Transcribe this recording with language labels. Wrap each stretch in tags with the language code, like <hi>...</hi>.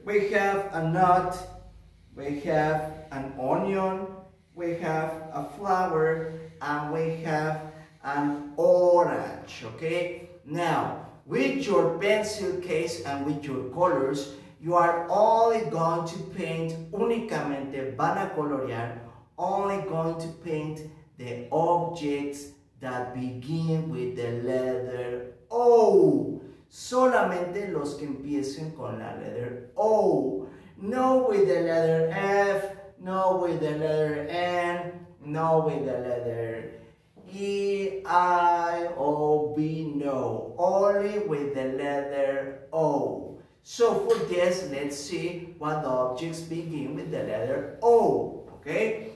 <en>We have a nut, we have an onion, we have a flower, and we have an orange, okay? Now, with your pencil case and with your colors, You are only going to paint,</en> <es>únicamente van a colorear,</es> <en>only going to paint the objects that begin with the letter O.</en> <es>Solamente los que empiecen con la letter O.</es> <en>No with the letter F, no with the letter N, no with the letter E, I, O, B, no. Only with the letter O. So for this, let's see what objects begin with the letter O, okay?</en>